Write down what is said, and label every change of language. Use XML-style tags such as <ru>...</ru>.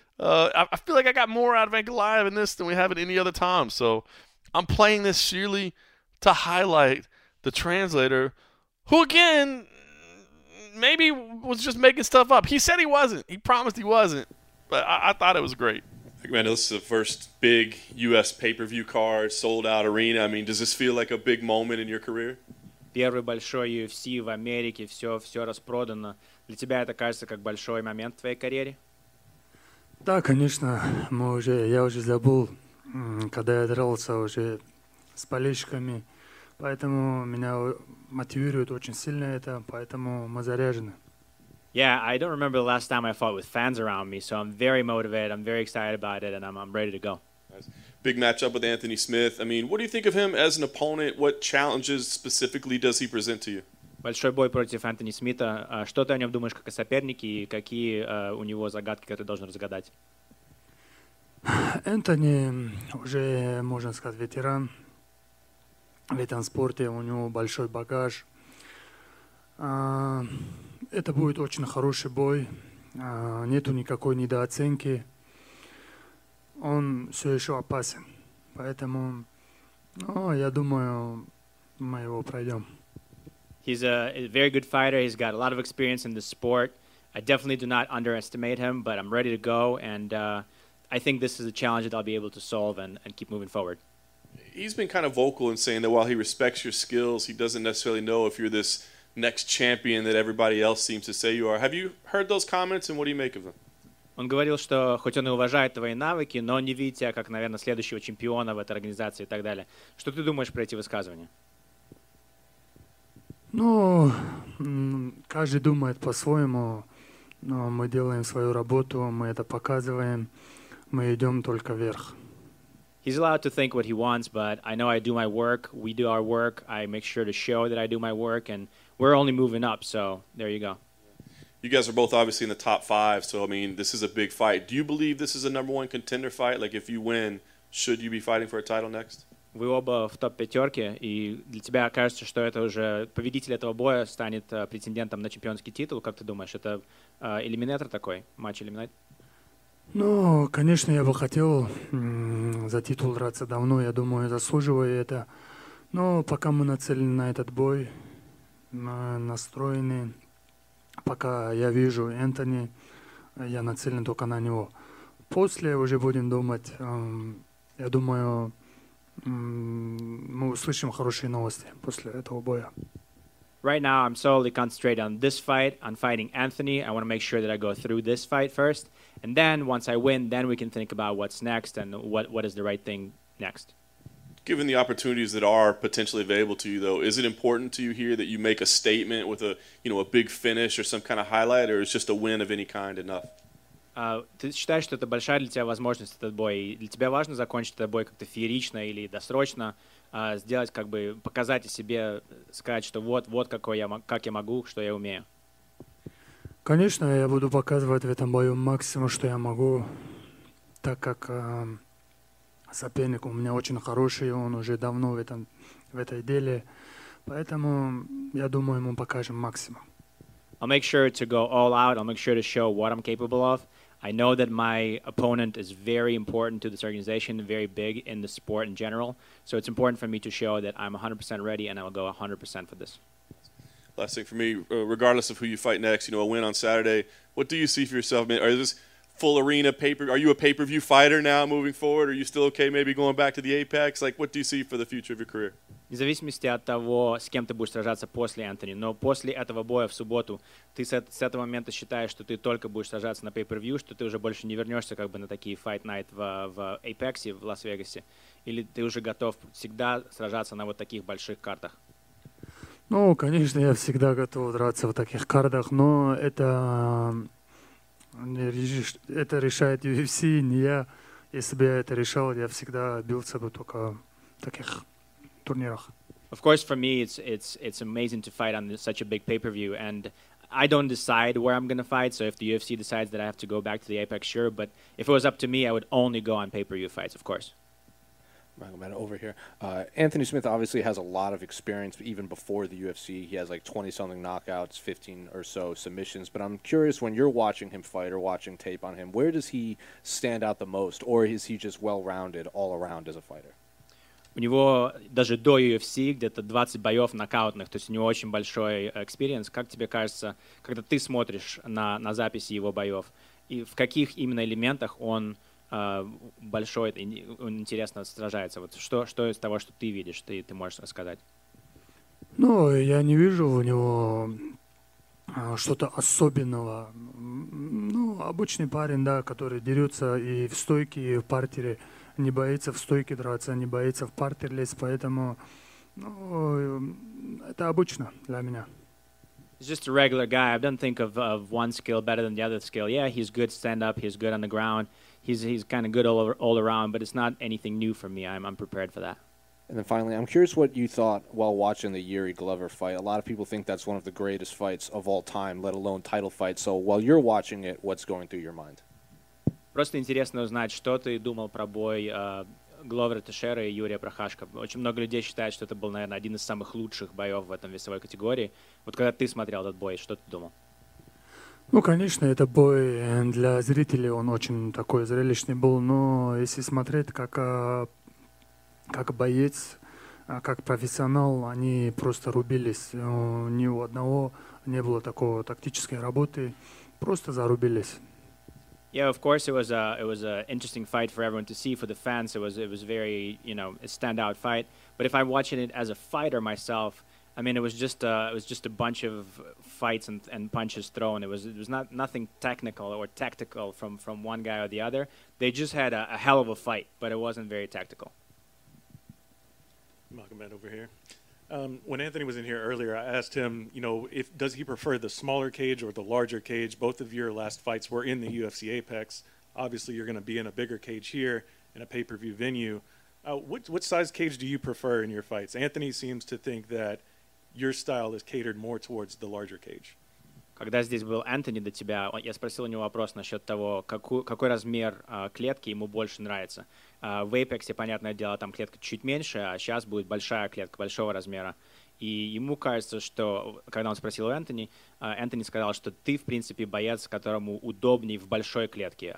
<en>I feel like I got more out of Ankalai in this than we have at any other time, so I'm playing this sheerly to highlight the translator, who again, maybe was just making stuff up. He said he wasn't. He promised he wasn't. But I thought it was great. Man, this is the first big U.S. pay-per-view card, sold-out arena. I mean, does this feel like a big moment in your career?</en> <ru>Первый большой UFC в Америке, все распродано. Для тебя это кажется как большой момент в твоей карьере? Да, конечно. Я уже забыл, когда я дрался уже с болельщиками. Поэтому меня мотивирует очень сильно это, поэтому мы заряжены.</ru> <en>Yeah, I don't remember the last time I fought with fans around me, so I'm very motivated, I'm very excited about it, and I'm ready to go. Nice. Big matchup with Anthony Smith. I mean, what do you think of him as an opponent? What challenges specifically does he present to you?</en> <ru>Большой бой против Anthony Smith. Что ты о нем думаешь как о сопернике, и какие у него загадки, которые должен разгадать? Anthony уже, можно сказать, ветеран. В этом спорте у него большой багаж. Это будет очень хороший бой. Нету никакой недооценки. Он все еще опасен. Поэтому, ну, я думаю, мы его пройдем.</ru> <en>He's a very good fighter. He's got a lot of experience in the sport. I definitely do not underestimate him, but I'm ready to go. And I think this is a challenge that I'll be able to solve and keep moving forward. He's been kind of vocal in saying that while he respects your skills, he doesn't necessarily know if you're this next champion that everybody else seems to say you are. Have you heard those comments, and what do you make of them?</en> <ru>Он говорил, что хоть он и уважает твои навыки, но не видит тебя как, наверное, следующего чемпиона в этой организации и так далее. Что ты думаешь про эти высказывания? Ну, каждый думает по-своему, но мы делаем свою работу, мы это показываем, мы идем только вверх.</ru> <en>He's allowed to think what he wants, but I know I do my work. We do our work. I make sure to show that I do my work, and we're only moving up, so there you go. You guys are both obviously in the top five, so, I mean, this is a big fight. Do you believe this is a number one contender fight? Like, if you win, should you be fighting for a title next?</en> <ru>Вы оба в топ-пятерке, и для тебя кажется, что это уже победитель этого боя станет претендентом на чемпионский титул. Как ты думаешь, это элиминатор такой, матч-элиминатор? Ну, конечно, я бы хотел за титул драться давно, я думаю, заслуживаю это. Но пока мы нацелены на этот бой, настроены, пока я вижу Энтони, я нацелен только на него. После уже будем думать, я думаю, мы услышим хорошие новости после этого боя.</ru> <en>Right now I'm solely concentrated on this fight, on fighting Anthony. I want to make sure that I go through this fight first. And then once I win, then we can think about what's next and what is the right thing next. Given the opportunities that are potentially available to you, though, is it important to you here that you make a statement with a, you know, a big finish or some kind of highlight, or is just a win of any kind enough?</en> <ru>Ты считаешь, что это большая для тебя возможность, этот бой? Для тебя важно закончить этот бой как-то феерично или досрочно? Сделать, как бы, показать о себе, сказать, что вот какой я, как я могу, что я умею. Конечно, я буду показывать в этом бою максимум, что я могу, так как соперник у меня очень хороший, он уже давно в этой деле, поэтому я думаю, мы покажем максимум.</ru> <en>I'll make sure to go all out, I'll make sure to show what I'm capable of. I know that my opponent is very important to this organization, very big in the sport in general. So it's important for me to show that I'm 100% ready and I will go 100% for this. Last thing for me, regardless of who you fight next, you know, a win on Saturday, what do you see for yourself? I mean, is this full arena paper? Are you a pay-per-view fighter now moving forward? Are you still okay maybe going back to the Apex? Like, what do you see for the future of your career?</en> <ru>В зависимости от того, с кем ты будешь сражаться после Энтони, но после этого боя в субботу, ты с этого момента считаешь, что ты только будешь сражаться на pay-per-view, что ты уже больше не вернешься как бы на такие fight night в Apex, в Лас-Вегасе, или ты уже готов всегда сражаться на вот таких больших картах? Ну, конечно, я всегда готов драться в таких картах, но это решает UFC, не я. Если бы я это решал, я всегда бился бы только в таких турнирах.</ru> <en>Of course, for me, it's amazing to fight on such a big pay-per-view, and I don't decide where I'm going to fight, so if the UFC decides that I have to go back to the Apex, sure, but if it was up to me, I would only go on pay-per-view fights, of course. Over here, Anthony Smith obviously has a lot of experience even before the UFC. He has like 20-something knockouts, 15 or so submissions. But I'm curious, when you're watching him fight or watching tape on him, where does he stand out the most, or is he just well-rounded all around as a fighter?</en> <ru>У него даже до UFC где-то 20 боев нокаутных, то есть у него очень большой experience. Как тебе кажется, когда ты смотришь на записи его боев, и в каких именно элементах он большой, он интересно сражается? Вот что из того, что ты видишь, ты можешь рассказать? Ну, я не вижу у него что-то особенного. Ну, обычный парень, да, который дерется и в стойке, и в партере. Не боится в стойке драться, не боится в партер лезть, поэтому это обычно для меня.</ru> <en>He's just a regular guy. I don't think of one skill better than the other skill. Yeah, he's good stand up, he's good on the ground. He's kind of good all around, but it's not anything new for me. I'm prepared for that. And then finally, I'm curious what you thought while watching the Yuri Glover fight. A lot of people think that's one of the greatest fights of all time, let alone title fight. So while you're watching it, what's going through your mind?</en> <ru>Просто интересно узнать, что ты думал про бой Гловера Тешера и Юрия Прохашко. Очень много людей считают, что это был, наверное, один из самых лучших боев в этом весовой категории. Вот когда ты смотрел этот бой, что ты думал? Ну, конечно, это бой для зрителей, он очень такой зрелищный был. Но если смотреть как боец, как профессионал, они просто рубились. Ни у одного не было такого тактической работы, просто зарубились.</ru> <en>Yeah, of course, it was a interesting fight for everyone to see, for the fans. It was very, you know, a standout fight. But if I'm watching it as a fighter myself, I mean, it was just a bunch of fights and punches thrown. It was nothing technical or tactical from one guy or the other. They just had a hell of a fight, but it wasn't very tactical. Malcolm Matt over here. When Anthony was in here earlier, I asked him, you know, does he prefer the smaller cage or the larger cage? Both of your last fights were in the UFC Apex. Obviously, you're going to be in a bigger cage here in a pay-per-view venue. What size cage do you prefer in your fights? Anthony seems to think that your style is catered more towards the larger cage.</en> <ru>Когда здесь был Anthony до тебя, я спросил у него вопрос насчет того, какой размер клетки ему больше нравится. В Apex, понятное дело, там клетка чуть меньше, а сейчас будет большая клетка, большого размера. И ему кажется, что, когда он спросил у Энтони, Энтони сказал, что ты, в принципе, боец, которому удобней в большой клетке.</ru>